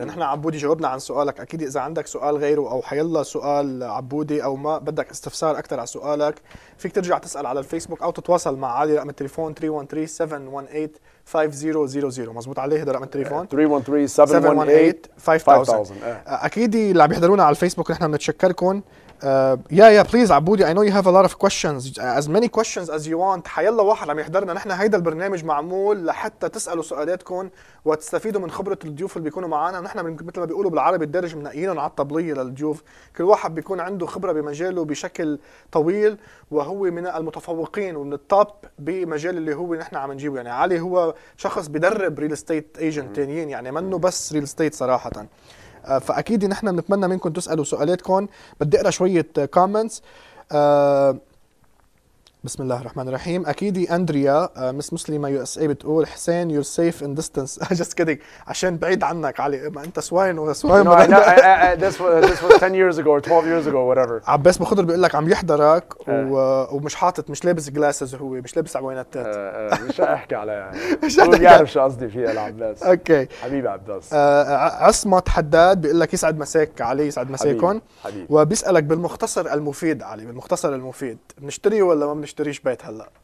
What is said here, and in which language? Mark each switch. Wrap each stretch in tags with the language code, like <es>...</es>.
<ar>نحن عبودي جاوبنا عن سؤالك، اكيد اذا عندك سؤال غيره او حيلا سؤال عبودي او ما بدك استفسار اكثر على سؤالك فيك ترجع تسال على الفيسبوك او تتواصل مع علي، رقم التليفون 313-718-5000. مزبوط علي، هذا رقم التليفون 313-718-5000. اكيد اللي عم يحضرونا على الفيسبوك نحن بنتشكركم،</ar> <en>Yeah, yeah, please, عبودي, I know you have a lot of questions. As many questions as you want.</en> <ar>حيلا واحد عم يحضرنا. نحن هيدا البرنامج معمول لحتى تسألوا سؤالاتكم وتستفيدوا من خبرة الضيوف اللي بيكونوا معنا. نحن مثل ما بيقولوا بالعربي الدارج منقيين على الطبلية للضيوف. كل واحد بيكون عنده خبرة بمجاله بشكل طويل وهو من المتفوقين ومن التوب بمجال اللي هو نحن عم نجيبه. يعني علي هو شخص بيدرب ريل استيت ايجنت تانيين, يعني منه بس ريل استيت صراحة. فأكيد نحن نتمنى منكم تسألوا سؤالاتكم. بدي أقرأ شوية كومنتس. بسم الله الرحمن الرحيم. أكيد أندريا مس مسلمة USA بتقول حسين</ar> <en>you're safe in distance. just kidding.</en> <ar>عشان بعيد عنك علي, ما أنت سواين وسواين.</ar> <en>No, no, this was 10 years ago or 12 years ago whatever.</en> <ar>عباس بخضر بيقول لك عم يحضرك ومش حاطط, مش لابس glasses, هو مش لابس عوينات. مش أحكي عليها يعني. مش عارف شو قصدي فيها العباس. أوكي. حبيبي عباس. عصمت حداد بيقول لك يسعد مساك علي, يسعد مساكن. حبيبي. وبيسألك بالمختصر المفيد علي, بالمختصر المفيد بنشتري ولا ما بنشتريش بيت هلا؟</ar>